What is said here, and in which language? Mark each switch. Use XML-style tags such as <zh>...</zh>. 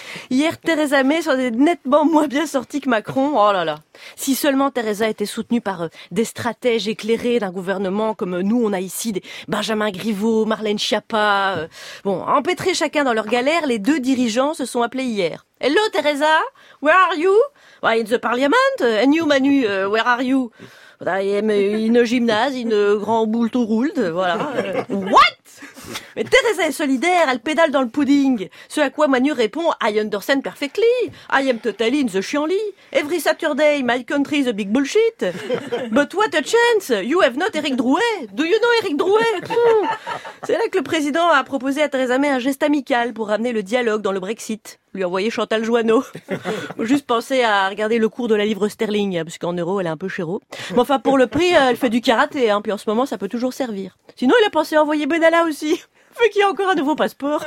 <fr>Hier, Theresa May s'en est nettement moins bien sortie que Macron. Oh là là. Si seulement Theresa était soutenue par des stratèges éclairés d'un gouvernement comme nous, on a ici des Benjamin Griveaux, Marlène Schiappa. Bon, empêtrés chacun dans leur galère, les deux dirigeants se sont appelés hier.</fr> <en>Hello Theresa, where are you? Why in the parliament? And you Manu, where are you? I am in a gymnase, in a</en> <fr>grand boule tout roule. Voilà.</fr> <en>What?</en> <fr>Mais Theresa est solidaire, elle pédale dans le pudding. Ce à quoi Manu répond,</fr> <en>I understand perfectly. I am totally in the shianli. Every Saturday, my country is a big bullshit. But what a chance, you have not Eric Drouet. Do you know Eric Drouet?</en> <fr>C'est là que le président a proposé à Theresa May un geste amical pour ramener le dialogue dans le Brexit. Lui envoyer Chantal Joanneau. Juste penser à regarder le cours de la livre sterling, parce qu'en euros, elle est un peu chéro. Mais enfin, pour le prix, elle fait du karaté, hein. Puis en ce moment, ça peut toujours servir. Sinon, il a pensé à envoyer Benalla aussi. Vu qu'il y a encore un nouveau passeport.</fr>